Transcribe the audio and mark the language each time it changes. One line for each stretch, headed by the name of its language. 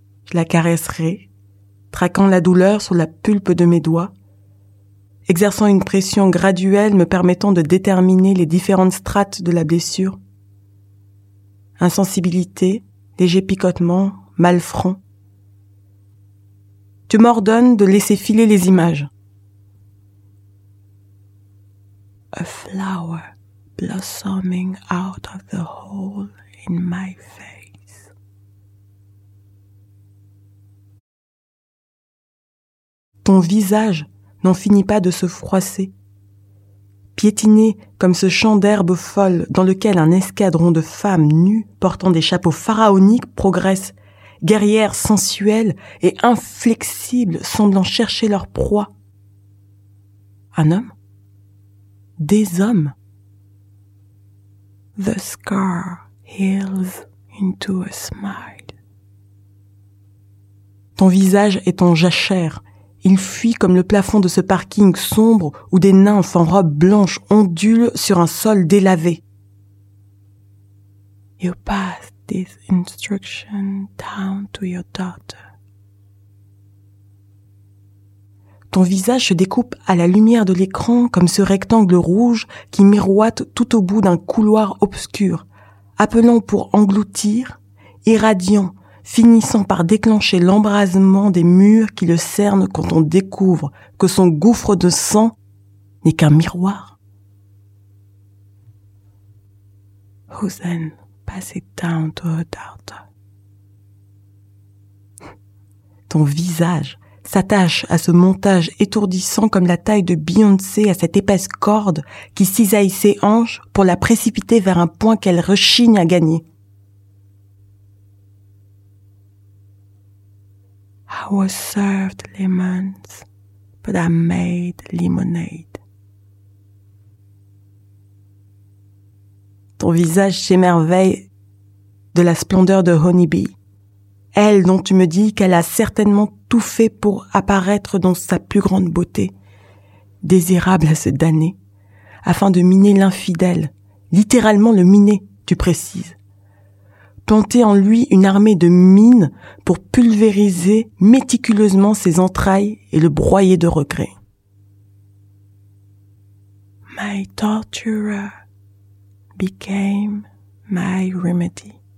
French: Je la caresserai, traquant la douleur sur la pulpe de mes doigts, exerçant une pression graduelle me permettant de déterminer les différentes strates de la blessure. Insensibilité, léger picotement, mal franc. Tu m'ordonnes de laisser filer les images.
English: A flower blossoming out of the hole in my face.
French: Ton visage n'en finit pas de se froisser. Piétiné comme ce champ d'herbe folle dans lequel un escadron de femmes nues portant des chapeaux pharaoniques progresse, guerrières sensuelles et inflexibles semblant chercher leur proie. Un homme ? Des hommes ?
English: The scar heals into a smile.
French: Ton visage est en jachère. Il fuit comme le plafond de ce parking sombre où des nymphes en robe blanche ondulent sur un sol délavé.
English: You pass this instruction down to your daughter.
French: Ton visage se découpe à la lumière de l'écran comme ce rectangle rouge qui miroite tout au bout d'un couloir obscur, appelant pour engloutir, irradiant, finissant par déclencher l'embrasement des murs qui le cernent quand on découvre que son gouffre de sang n'est qu'un miroir.
English: Who then pass it down to her daughter?
French: Ton visage s'attache à ce montage étourdissant comme la taille de Beyoncé à cette épaisse corde qui cisaille ses hanches pour la précipiter vers un point qu'elle rechigne à gagner.
English: I was served lemons, but I made lemonade.
French: Ton visage s'émerveille de la splendeur de Honeybee, elle dont tu me dis qu'elle a certainement tout fait pour apparaître dans sa plus grande beauté, désirable à se damner, afin de miner l'infidèle, littéralement le miner, tu précises. Planter en lui une armée de mines pour pulvériser méticuleusement ses entrailles et le broyer de regrets.
English: My torturer became my remedy.